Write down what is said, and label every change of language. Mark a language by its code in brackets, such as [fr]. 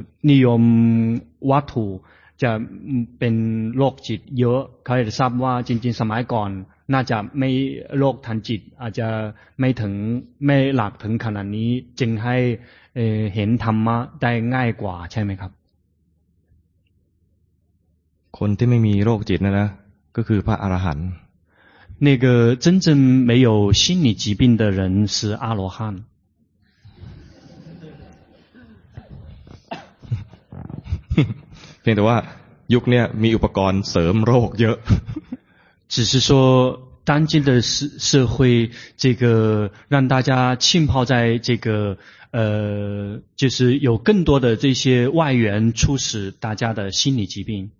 [th] นิยมวัตถุจะเป็นโรคจิตเยอะเขาจะทราบว่าจริงๆสมัยก่อนน่าจะไม่โรคทางจิตอาจจะไม่ถึงไม่หลากถึงขนาดนี้จึงใหเห็นธรรมะได้ง่ายกว่าใช่ไหมครับ คนที่ไม่มีโรคจิตนะก็คือพระอรหันต์ [zh] 那个真正没有心理疾病的人是阿罗汉 [th] เพียงแต่ว่ายุคนี้มีอุปกรณ์เสริมโรคเยอะ [zh] 只是说当今的社会这个让大家浸泡在这个就是有更多的这些外援促使大家的心理疾病。